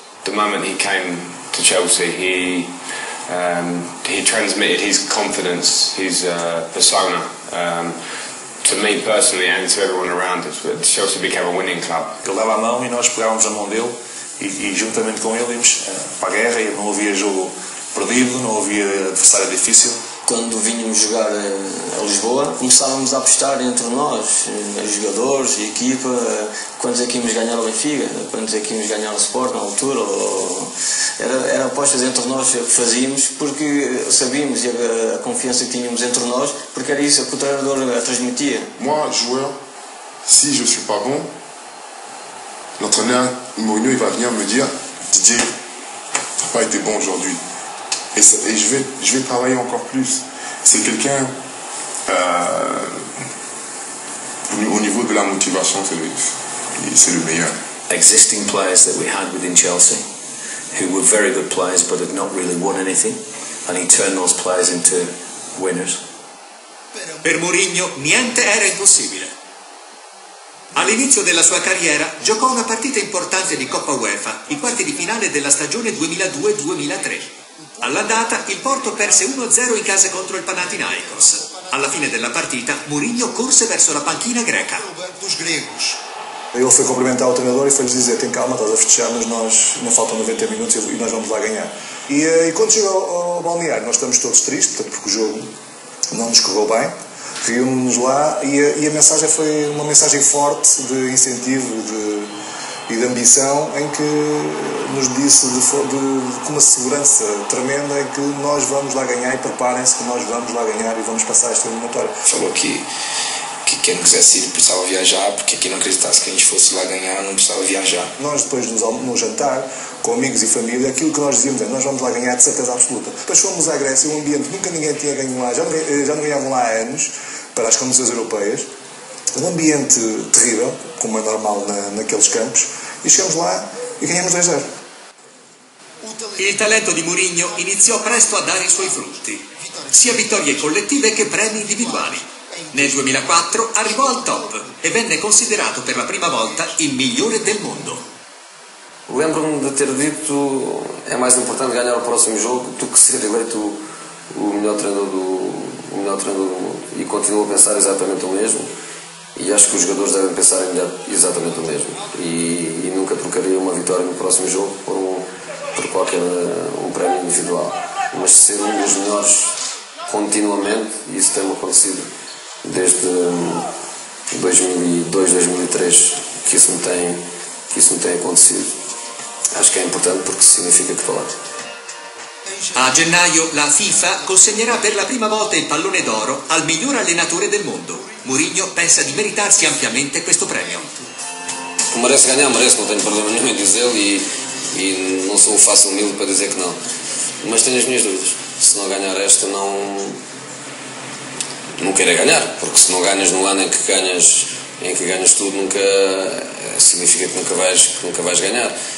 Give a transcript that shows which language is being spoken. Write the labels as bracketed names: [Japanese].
[English] The moment he came to Chelsea, he transmitted his confidence, his persona, to me personally and to everyone around us. Chelsea became a winning club. [Portuguese] Ele dava a mão e nós pegávamos a mão dele e juntamente com ele íamos para a guerra e não havia jogo perdido, não havia adversário difícil. Quando vínhamos jogar a Lisboa, começávamos a apostar entre nós, os jogadores e a equipa, quantos é que íamos ganhar o Benfica, quantos é que íamos ganhar o Sport na altura. Era apostas entre nós que fazíamos, porque sabíamos a confiança que tínhamos entre nós, porque era isso que o treinador transmitia. [French] Moi, joueur, si je suis pas bon, l'entraîneur Mourinho va venir me dire: Didier, t'as pas été bon aujourd'hui. Et je vais travailler encore plus. C'est quelqu'un, au niveau de la motivation, c'est le meilleur. [English] Existing players that we had within Chelsea, who were very good players but had not really won anything, and he turned those players into winners. [Italian] Per Mourinho niente era impossibile. All'inizio della sua carriera giocò una partita importante di Coppa UEFA, i quarti di finale della stagione 2002-2003. All'andata il Porto perse 1-0 in casa contro il Panathinaikos. Alla fine della partita, Mourinho corse verso la panchina greca. [Portuguese] Ele foi cumprimentar o treinador e foi-lhes dizer: tem calma, estás a fechar, mas nós ainda faltam 90 minutos e nós vamos lá ganhar. E quando chegou ao balneário, nós estamos todos tristes, porque o jogo não nos correu bem, riu-nos lá e a mensagem foi uma mensagem forte de incentivo e de ambição, em que nos disse de uma segurança tremenda, em que nós vamos lá ganhar e preparem-se que nós vamos lá ganhar e vamos passar esta eliminatória. Falou que quem quisesse ir precisava viajar, porque quem não acreditasse que a gente fosse lá ganhar não precisava viajar. Nós, depois no jantar, com amigos e família, aquilo que nós dizíamos é: nós vamos lá ganhar, de certeza absoluta. Depois fomos à Grécia, um ambiente que nunca ninguém tinha ganho lá, já não ganhavam lá há anos, para as competições europeias. Um ambiente terrível, como é normal naqueles campos, e chegamos lá e ganhamos 2-0. [Italian] Il talento di Mourinho iniziò presto a dare i suoi frutti, sia vittorie collettive che premi individuali. Nel 2004 arrivò al top e venne considerato per la prima volta il migliore del mondo. [Portuguese] Lembro-me de ter dito: é mais importante ganhar o próximo jogo do que ser eleito o melhor treinador do mundo. E continuo a pensar exatamente o mesmo. E acho que os jogadores devem pensar em melhor exatamente o mesmo. E nunca trocaria uma vitória no próximo jogo por qualquer prémio individual. Mas ser um dos melhores continuamente, isso tem-me acontecido desde 2002-2003, que isso me tem acontecido. Acho que é importante porque significa que estou lá. [Italian] A gennaio la FIFA consegnerà per la prima volta il pallone d'oro al miglior allenatore del mondo. Mourinho pensa di meritarsi ampiamente questo premio. [Portuguese] Merece ganhar, merece, non tenho problema nenhum em dizê-lo e [Italian] non sono [Portuguese] fácil humilde para dizer que não. Mas tenho as minhas dúvidas. Se não ganhar esta, não quero ganhar, porque se não ganhas no ano em que ganhas tudo, nunca significa que nunca vais ganhar.